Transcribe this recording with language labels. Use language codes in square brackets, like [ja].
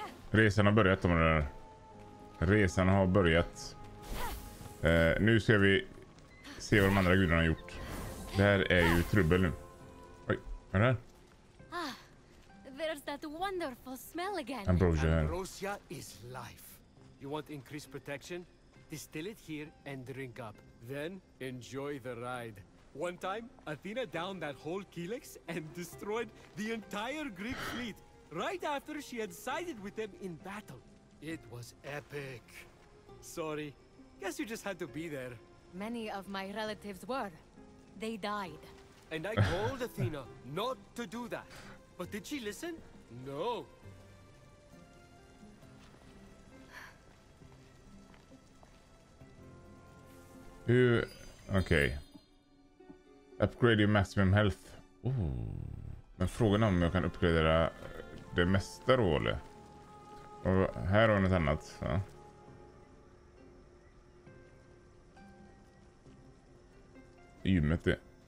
[sv] Resan har börjat, om det är. Resan har börjat. Nu ska vi se vad de andra gudarna har gjort. Det här är ju trubbel nu. Oj, är det här? [en] There's that wonderful smell again. Ambrosia. Ambrosia is life. You want increased protection? Distill it here and drink up. Then, enjoy the ride. One time, Athena downed that whole Kilix and destroyed the entire Greek fleet right after she had sided with them in battle. It was epic. Sorry. Guess you just had to be there. Many of my relatives were. They died. And I told Athena not to do that. But did she listen? No. [sv] Hur... Okej. [en] Okay. Upgrade your maximum health. Oh. [sv] Men frågan är om jag kan uppgradera det mesta då, eller? Och här har jag något annat. Ja. gymmet det.